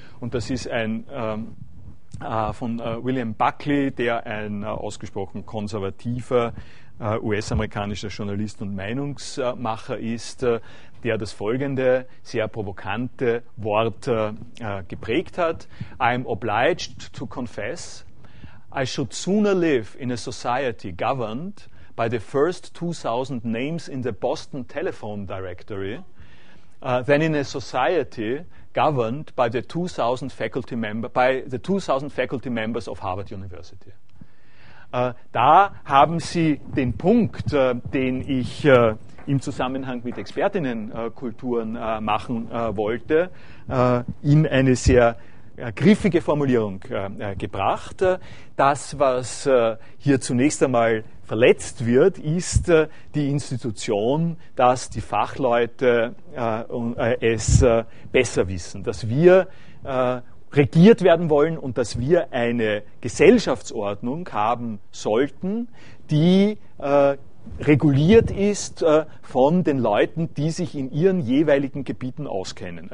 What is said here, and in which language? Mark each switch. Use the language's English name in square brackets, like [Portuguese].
[German] Und das ist ein von William Buckley, der ein ausgesprochen konservativer US-amerikanischer Journalist und Meinungsmacher ist, der das folgende sehr provokante Wort geprägt hat. [English] I'm obliged to confess, I should sooner live in a society governed by the first 2,000 names in the Boston Telephone Directory than in a society governed by the 2,000 faculty member, by the 2,000 faculty members of Harvard University. [German] Da haben Sie den Punkt, den ich im Zusammenhang mit Expertinnenkulturen machen wollte, in eine sehr griffige Formulierung gebracht. Das, was hier zunächst einmal verletzt wird, ist die Institution, dass die Fachleute es besser wissen, dass wir regiert werden wollen und dass wir eine Gesellschaftsordnung haben sollten, die reguliert ist von den Leuten, die sich in ihren jeweiligen Gebieten auskennen.